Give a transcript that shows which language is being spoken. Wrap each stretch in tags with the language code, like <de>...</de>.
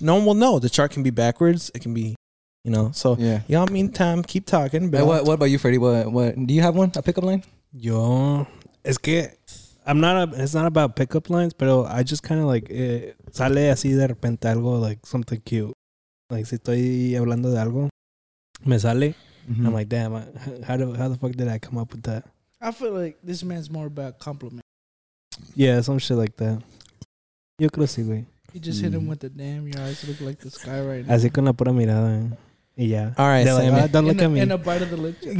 <en>No one will know. The chart can be backwards. It can be, you know. So yeah. Y'all meantime, keep talking. But what about you, Freddie? What do you have one? A pickup line?</en> <es>Yo, es que.</es> <en>It's not about pickup lines, but I just kind of like</en> <es>sale así de repente algo,</es> <en>like something cute.</en> <es>Like, si estoy hablando de algo, me sale. Mm-hmm.</es> <en>I'm like, damn, how the fuck did I come up with that? I feel like this man's more about compliment. Yeah, some shit like that.</en> <es>Yo creo sí, güey.</es> <en>You just hit him with the damn, your eyes look like the sky right now.</en> <es>Así con la pura mirada. Y ya.</es> <en>All right, they're Sammy. Like, don't look at me. And a bite of the lip.</en>